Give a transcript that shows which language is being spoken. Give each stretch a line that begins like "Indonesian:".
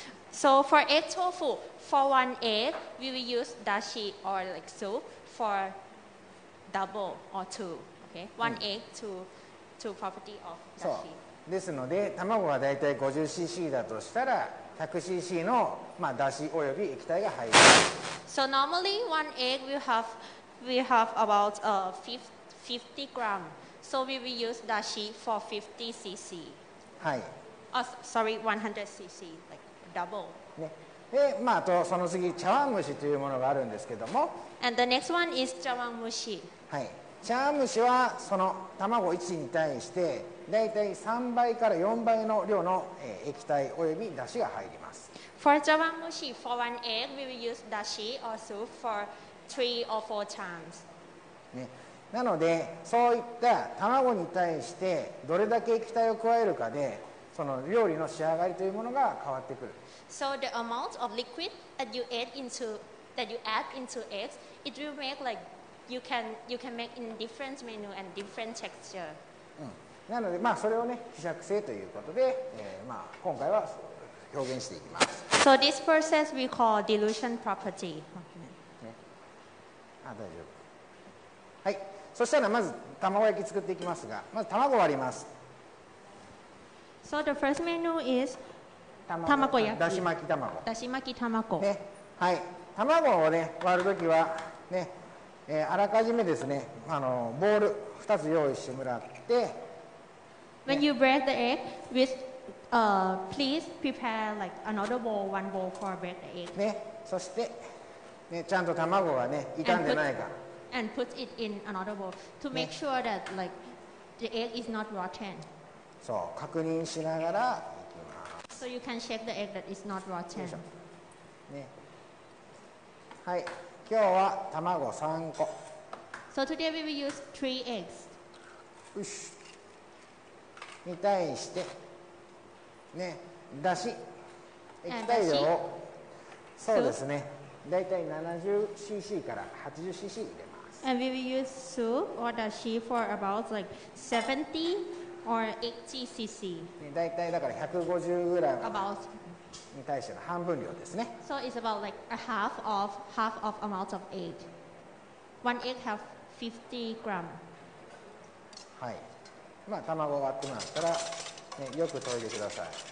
English: So for egg tofu, for one egg, we will use dashi or like soup for double or two. Okay. One egg to property of dashi.
Japanese: So, ですので卵がだいたい 50cc だとしたら 100cc の、まあ、だしおよび液体が入る。
English: So normally one egg will have about 50 gram. So we will use dashi for 50cc.
Japanese: はい。
English: Sorry, 100cc, like double.、
Japanese: ね、で、まあ、あとその次茶碗蒸しというものがあるんですけども。
English: And the next one is 茶碗蒸し。
Japanese: はい。茶碗蒸しはその卵1に対してだいたい3倍から4倍の量の液体およびだしが入ります。
English: For 茶碗蒸し for one egg we will use dashi or soup for 3 or 4 times、
Japanese: ね、なのでそういった卵に対してどれだけ液体を加えるかでその料理の仕上がりというものが変わってくる。
English: So the amount of liquid that you add into eggs it will make likeYou can make in different menu and different texture.、
Japanese: うん、なので、まあ、それをね、希釈性ということで、まあ、今回は表現していきます。
English: So this process we call dilution property.、 Okay.
Japanese: ね、あ、大丈夫。はい。そしたら、まず卵焼き作っていきますが、まず卵を割ります。
English: So the first menu is 卵焼き。
Japanese: だし巻き卵。だし巻き卵。ね。はい。卵をね、割るときは、ね、あらかじめですね、ボール2つ用意してもらって、
English: When、ね、you break the egg, with, please prepare like another bowl, one bowl for break the egg.
Japanese: ね、そして、ね、ちゃんと卵がね、傷んでないか。
English: And put it in another bowl to make、ね、sure that like the egg is not rotten.
Japanese: そう、確認しながらいきます。
English: So you can shake the egg that is not rotten.
Japanese: ね、はい。今日は卵3個。
English: So today we will use 3 eggs.
Japanese: よし。に対して、ね、だし、液体量を、そうですね、だいたい 70cc から 80cc 入れます。
English: And we will use soup or dashi for about like 70 or 80cc.、
Japanese: ね、だいたいだから 150g。
English: About.
Japanese: に対しての半分量ですね。
English: So it's about like a half of amount of egg. One egg have 50g.
Japanese: はい。まあ卵割ってもらったら、ね、よく溶いてください。